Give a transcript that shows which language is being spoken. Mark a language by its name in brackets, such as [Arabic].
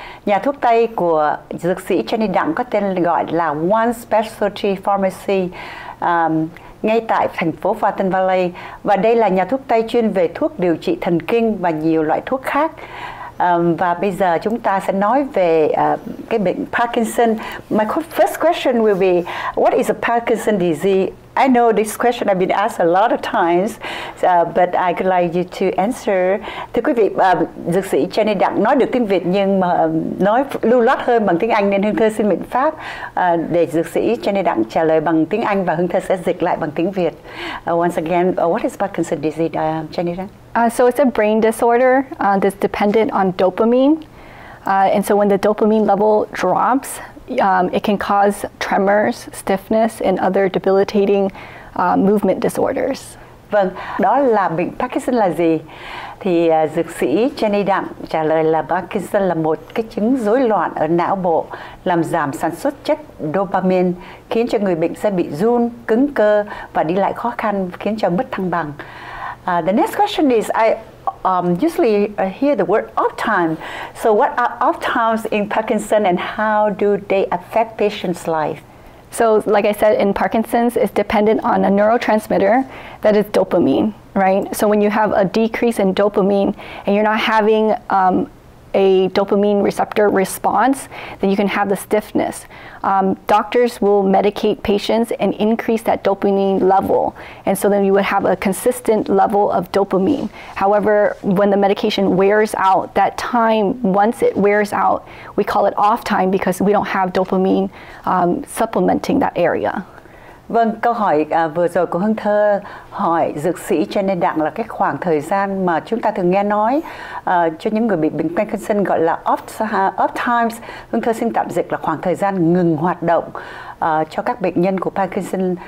[Vietnamese] Nhà thuốc Tây của dược sĩ Jenny Đặng có tên gọi là One Specialty Pharmacy ngay tại thành phố Fountain Valley. Và đây là nhà thuốc Tây chuyên về thuốc điều trị thần kinh và nhiều loại thuốc khác. Và bây giờ chúng ta sẽ nói về cái bệnh Parkinson. [English] My first question will be, what is a Parkinson disease? I know this question I've been asked a lot of times, but I would like you to answer. [Vietnamese] Thưa quý vị, dược sĩ Jenny Đặng nói được tiếng Việt nhưng mà nói lưu loát hơn bằng tiếng Anh nên Hương Thơ xin mệnh pháp để dược sĩ Jenny Đặng trả lời bằng tiếng Anh và Hương Thơ sẽ dịch lại bằng tiếng Việt. [English] Once again, what is Parkinson's disease, Jenny Đặng? So it's a brain disorder that's dependent on dopamine. And so when the dopamine level drops, it can cause tremors, stiffness, and other debilitating movement disorders. [Vietnamese] Vâng, đó là bệnh Parkinson là gì? Thì dược sĩ Jenny Đặng trả lời là Parkinson là một cái chứng rối loạn ở não bộ làm giảm sản xuất chất dopamine, khiến cho người bệnh sẽ bị run, cứng cơ và đi lại khó khăn, khiến cho mất thăng bằng. [English] The next question is, I usually hear the word off-time. So what are off-times in Parkinson and how do they affect patients' life? So like I said, in Parkinson's, it's dependent on a neurotransmitter that is dopamine, right? So when you have a decrease in dopamine and you're not having a dopamine receptor response, then you can have the stiffness. Doctors will medicate patients and increase that dopamine level. And so then you would have a consistent level of dopamine. However, when the medication wears out, that time, once it wears out, we call it off time because we don't have dopamine supplementing that area. [Vietnamese] Vâng, câu hỏi vừa rồi của Hương Thơ hỏi dược sĩ Jenny Đặng là cái khoảng thời gian mà chúng ta thường nghe nói cho những người bị bệnh Parkinson gọi là off times. Hương Thơ xin tạm dịch là khoảng thời gian ngừng hoạt động cho các bệnh nhân của Parkinson.